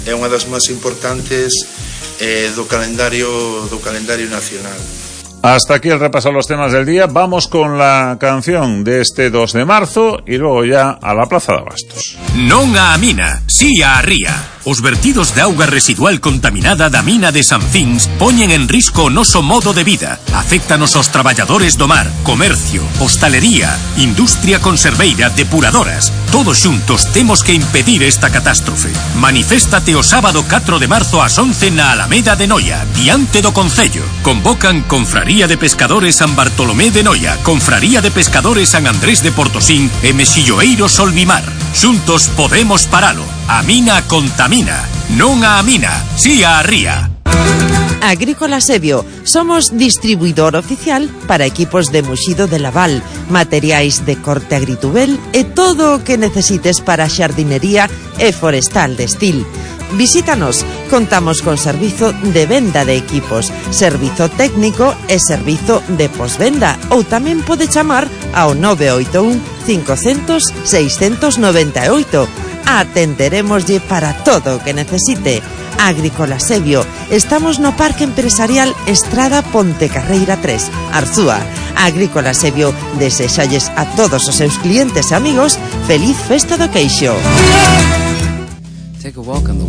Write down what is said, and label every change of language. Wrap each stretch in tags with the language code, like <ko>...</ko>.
<gl>É unha das máis importantes do calendario nacional.</gl> <es>Hasta aquí el repaso a los temas del día. Vamos con la canción de este 2 de marzo y luego ya a la Plaza de Abastos.</es> <gl>Non a mina, si a ría. Os vertidos de auga residual contaminada da mina de Sanfins poñen en risco o noso modo de vida. Aféctanos aos traballadores do mar, comercio, hostalería, industria conserveira, depuradoras. Todos xuntos temos que impedir esta catástrofe. Manifestate o sábado 4 de marzo ás 11 na Alameda de Noia, diante do Concello. Convocan Confraría de Pescadores San Bartolomé de Noia, Confraría de Pescadores San Andrés de Portosín e Mexilloeiro Solvimar. Xuntos podemos paralo. A mina contamina, non a mina, si a ría. Agrícola Sevio, somos distribuidor oficial para equipos de muxido de Laval, materiais de corte agritubel e todo o que necesites para xardinería e forestal de estil. Visítanos, contamos con servizo de venda de equipos, servizo técnico e servizo de posvenda, ou tamén pode chamar ao 981-500-698. Atenderémoslle para todo o que necesite. Agrícola Sevio, estamos no Parque Empresarial Estrada Ponte Carreira 3, Arzúa. Agrícola Sevio, desexalles a todos os seus clientes e amigos feliz festa do queixo.</gl> <en>Take a walk on the</en>